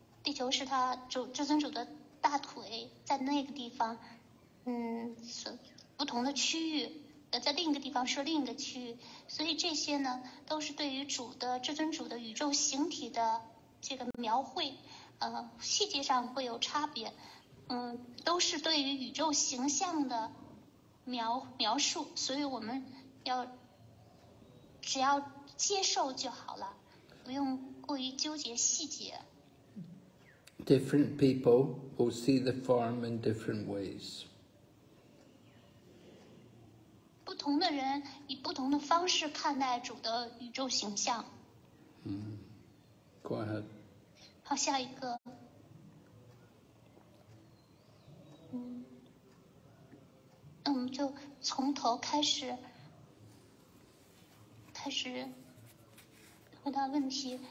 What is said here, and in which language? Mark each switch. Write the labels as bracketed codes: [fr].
[zh] 地球是他主至尊主的大腿，在那个地方，是不同的区域，在另一个地方是另一个区域，所以这些呢，都是对于主的至尊主的宇宙形体的这个描绘，细节上会有差别，都是对于宇宙形象的描述，所以我们要只要接受就好了，不用过于纠结细节。 [en] Different people will see the form in different ways. [zh] 不同的人以不同的方式看待主的宇宙形象。 [en] Go ahead. [zh] 好，下一个。那我们就从头开始回答问题。